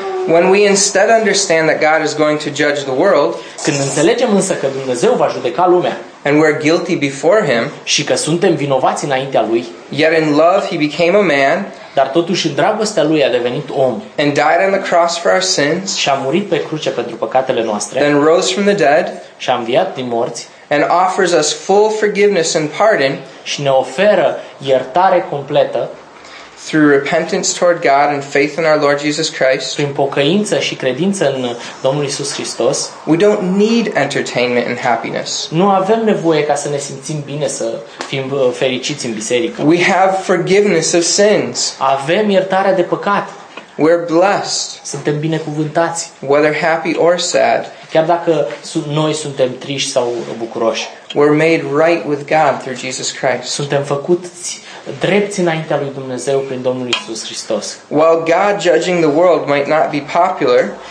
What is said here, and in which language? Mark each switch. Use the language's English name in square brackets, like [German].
[English] When we instead understand that God is going to judge the world, [Romanian] când înțelegem însă că Dumnezeu va judeca lumea, [English] and we're guilty before him, [Romanian] și că suntem vinovați înaintea lui, [English] yet in love he became a man, [Romanian] dar totuși în dragostea lui a devenit om. [English] And died on the cross for our sins. [Romanian] Și a murit pe cruce pentru păcatele noastre. [English] Then rose from the dead. [Romanian] Și a înviat din morți. [English] And offers us full forgiveness and pardon. [Romanian] Și ne oferă iertare completă. [English] Through repentance toward God and faith in our Lord Jesus Christ. [Romanian] Prin pocăință și credință în Domnul Iisus Hristos. [English] We don't need entertainment and happiness. [Romanian] Nu avem nevoie ca să ne simțim bine, să fim fericiți în biserică. [English] We have forgiveness of sins. [Romanian] Avem iertarea de păcat. [English] We're blessed. [Romanian] Suntem binecuvântați. [English] Whether happy or sad. [Romanian] Chiar dacă noi suntem triști sau bucuroși. [English] We're made right with God through Jesus Christ. [Romanian] Suntem făcuți drept înaintea lui Dumnezeu prin Domnul Iisus Hristos. [English] While God judging the world might not be popular,